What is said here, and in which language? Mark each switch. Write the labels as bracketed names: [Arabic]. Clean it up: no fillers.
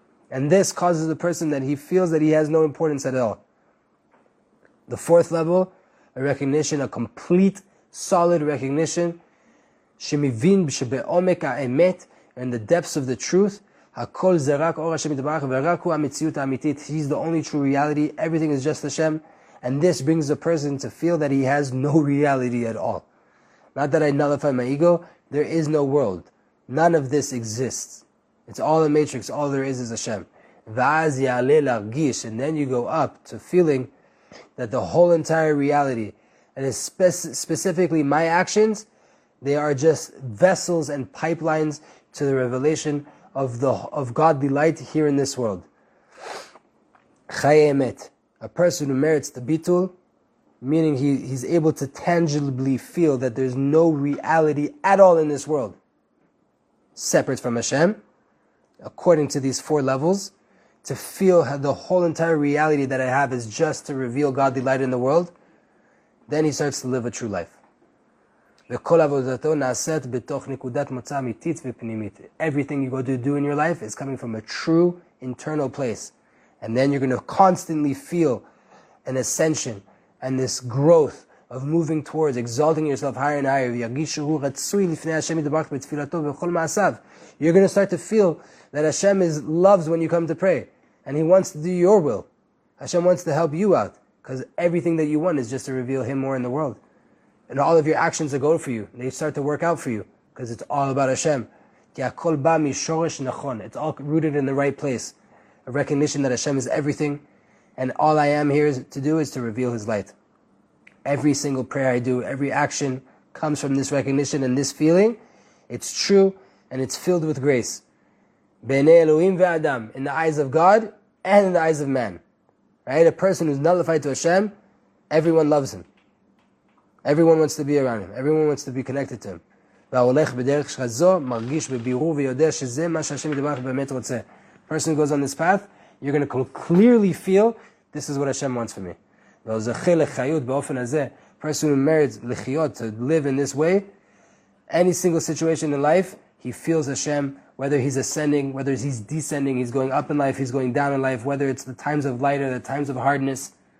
[English] And this causes the person that he feels that he has no importance at all. The fourth level, a recognition, a complete, solid recognition. [Hebrew] שמבין שבעומק האמת, [English] in the depths of the truth, [Hebrew] הכל זה רק אור השם יתברך, ורק הוא המציאות האמיתית. [English] He's the only true reality. Everything is just Hashem. And this brings a person to feel that he has no reality at all. Not that I nullify my ego, there is no world. None of this exists. It's all a matrix, all there is Hashem. [Hebrew] ואז יעלה להרגיש, [English] and then you go up to feeling that the whole entire reality, and specifically my actions, they are just vessels and pipelines to the revelation of godly light here in this world. [Hebrew] חיי אמת. [English] A person who merits the bitul, meaning he's able to tangibly feel that there's no reality at all in this world, separate from Hashem, according to these four levels, to feel how the whole entire reality that I have is just to reveal godly light in the world, then he starts to live a true life. [Hebrew] וכל עבודתו נעשית בתוך נקודת מוצא אמיתית ופנימית. [English] Everything you go to do in your life is coming from a true internal place. And then you're going to constantly feel an ascension and this growth of moving towards, exalting yourself higher and higher. [Hebrew] יגישו רצוי לפני השם יתברך בתפילתו וכל מעשיו. [English] You're going to start to feel that Hashem loves when you come to pray. And He wants to do your will. Hashem wants to help you out. Because everything that you want is just to reveal Him more in the world. And all of your actions are going for you. They start to work out for you. Because it's all about Hashem. [Hebrew] כי הכל בא משורש נכון. [English] It's all rooted in the right place. A recognition that Hashem is everything, and all I am here to do is to reveal His light. Every single prayer I do, every action comes from this recognition and this feeling. It's true, and it's filled with grace. [Hebrew] Bene Elohim ve'adam, [English] in the eyes of God and in the eyes of man. Right? A person who's nullified to Hashem, everyone loves him. Everyone wants to be around him. Everyone wants to be connected to him. [Hebrew] והולך בדרך שזו, מרגיש בבירור ויודע שזה מה שהשם יתברך באמת רוצה. [English] Person who goes on this path, you're going to clearly feel, this is what Hashem wants for me. [Hebrew] והוזכה לחיות באופן הזה, [English] person who merits לחיות, to live in this way, any single situation in life, he feels Hashem, whether he's ascending, whether he's descending, he's going up in life, he's going down in life, whether it's the times of light or the times of hardness,